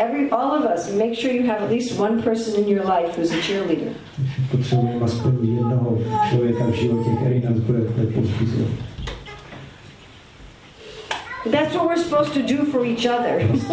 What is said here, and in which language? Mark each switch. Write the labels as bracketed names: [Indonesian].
[English] All of us, make sure you have at least one person in your life who's a cheerleader. [Czech] Potřebujeme aspoň jednoho člověka v životě, který nás bude povzbuzovat. [English] That's what we're supposed to do for each other.